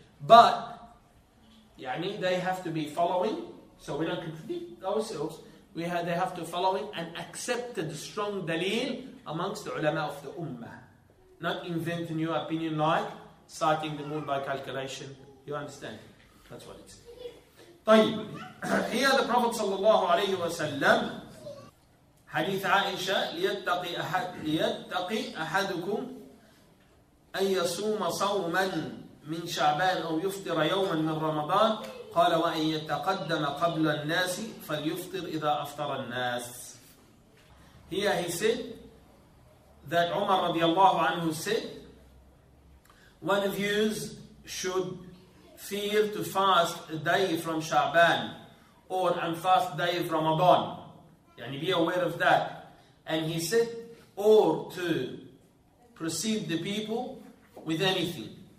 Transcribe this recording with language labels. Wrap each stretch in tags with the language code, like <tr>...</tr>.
<en>But, yani, they have to be following, so we don't contradict ourselves, they have to follow an accepted strong dalil amongst the ulama of the ummah. Not invent a new opinion like citing the moon by calculation. You understand? That's what it's.</en> <ar>طيب,</ar> <en>here the Prophet</en> <ar>sallallahu alayhi wa sallam, hadith Aisha, لِيَتَّقِي أَحَدُكُمْ أَنْ يَصُومَ صَوْمًا مِنْ شَعْبَانَ أَوْ يُفْطِرَ يَوْمًا مِنْ رَمَضَانَ قَالَ وَأَنْ يَتَقَدَّمَ قَبْلَ النَّاسِ فَلْيُفْطِرْ إِذَا أَفْطَرَ النَّاسِ.</ar> <en>Here he said that Umar radiallahu anhu said, one of you should fear to fast a day from Sha'ban or unfast a day of Ramadan. Yani be aware of that. And he said, or to precede the people with anything.</en>